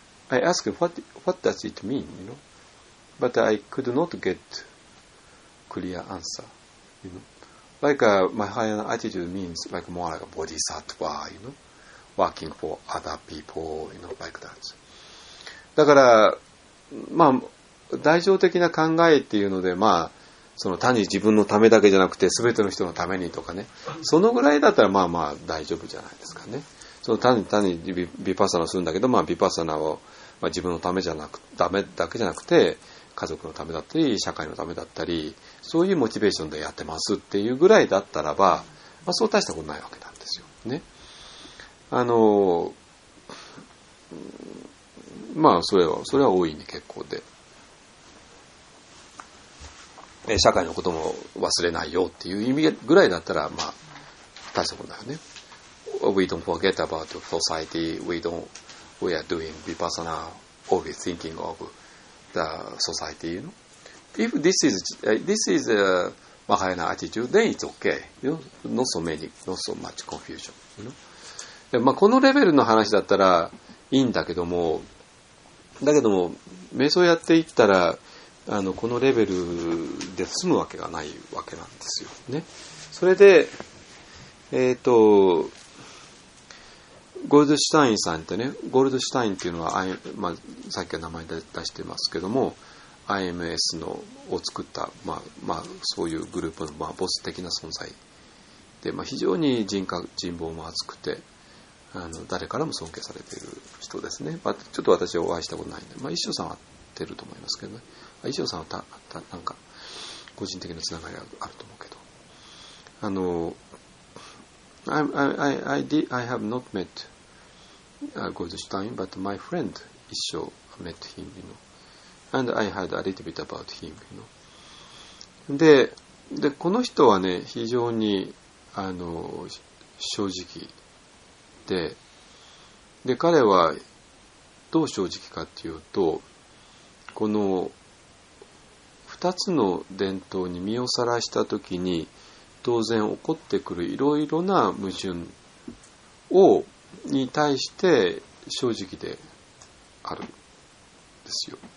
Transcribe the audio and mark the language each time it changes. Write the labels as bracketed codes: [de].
[en] I asked what does it mean, you know? But I could not get clear answer, you know? Like a Mahayana attitude means like more like a bodhisattva, you know, working for other people, you know, like that. [ja] だから、まあ、大乗的な考えっていうので、まあ、その単に自分のためだけじゃなくて全ての人のためにとかね、そのぐらいだったらまあまあ大丈夫じゃないですかね。その単にヴィパッサナをするんだけど、まあ、ヴィパッサナを、まあ、自分のためじゃなくダメだけじゃなくて家族のためだったり社会のためだったり、そういうモチベーションでやってますっていうぐらいだったらば、まあ、そう大したことないわけなんですよね。まあそれは大いに結構で、社会のことも忘れないよっていう意味ぐらいだったら、まあ大したことだよね。 [en] We don't forget about society. We are doing vipassana or we thinking of the society. You know? If this is a Mahayana attitude, then it's okay. You know? Not so many, not so much confusion. You know? [ja] まあこのレベルの話だったらいいんだけども、だけども瞑想やっていったら、このレベルで済むわけがないわけなんですよね。それで、ゴールドシュタインさんってね、ゴールドシュタインっていうのは、まあ、さっきは名前で出してますけども、IMS のを作った、まあ、そういうグループの、まあ、ボス的な存在で、まあ、非常に人格、人望も厚くて、誰からも尊敬されている人ですね。まあ、ちょっと私はお会いしたことないんで、まあ、一生さんは会ってると思いますけどね。まあ、一生さんはなんか、個人的なつながりがあると思うけど。 [en] I have not met Goldstein, but my friend Isho met him, you know, and I heard a little bit about him, you know. [ja] で、この人はね、非常に正直で、で彼はどう正直かっていうと、この二つの伝統に身をさらしたときに、当然起こってくるいろいろな矛盾をに対して正直であるんですよ。